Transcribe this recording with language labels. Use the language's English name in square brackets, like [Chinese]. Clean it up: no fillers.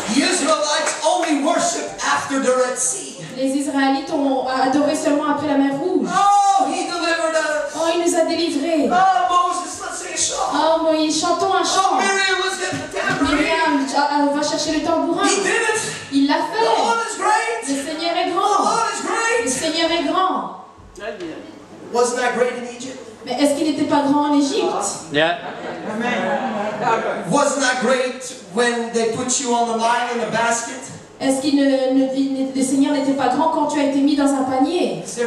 [English] The Israelites only worship after the Red Sea. [French] Les Israélites ont adoré seulement après la mer Rouge. [English] Oh, he delivered us. [French] Oh, il nous a délivrés. [English] Oh, Moses, let's sing a song. [French] Oh, Moïse, chantons un chant. [English] Oh, Miriam, let's get the tambourine. [French] Miriam, on va chercher le tambourin. [English] He did it. [French] Il l'a fait. [English] The Lord is great. [French] Le Seigneur est grand. [English] The Lord is great. [French] Le Seigneur est grand. [English] Wasn't that great in Egypt? [French] Mais est-ce qu'il n'était pas grand en Égypte? [English] Yeah. Amen. Wasn't that great when they put you on the line in a basket? [French] Est-ce que le Seigneur n'était pas grand quand tu as été mis dans un panier?